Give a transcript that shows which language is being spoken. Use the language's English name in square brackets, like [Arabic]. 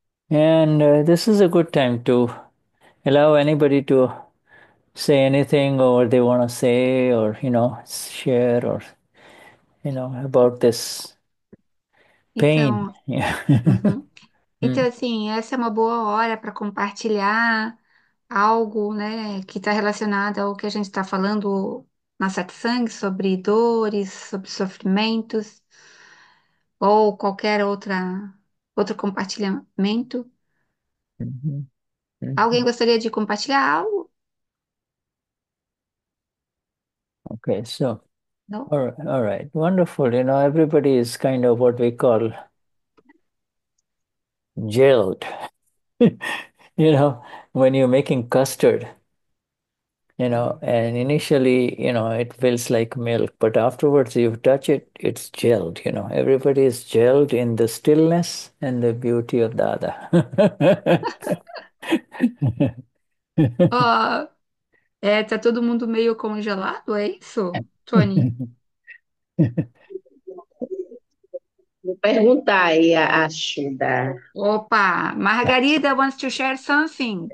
[English] And this is a good time to allow anybody to say anything or they want to say or, you know, share or, you know, about this pain. [Portuguese] Então, [English] Yeah. [Portuguese] Então, assim, essa é uma boa hora para compartilhar algo, né, que está relacionado ao que a gente está falando na satsang, sobre dores, sobre sofrimentos, ou qualquer outro compartilhamento. Alguém gostaria de compartilhar algo? [English] Okay, so [Portuguese] Não? [English] all right, wonderful. You know, everybody is kind of what we call gelled. You know, when you're making custard, you know, and initially, you know, it feels like milk, but afterwards you touch it, it's gelled. You know, everybody is gelled in the stillness and the beauty of Dada. [Portuguese] Ó, tá todo mundo meio congelado, é isso, Tony? Vou perguntar aí a Shuddha. [English] Opa, Margarida wants to share something.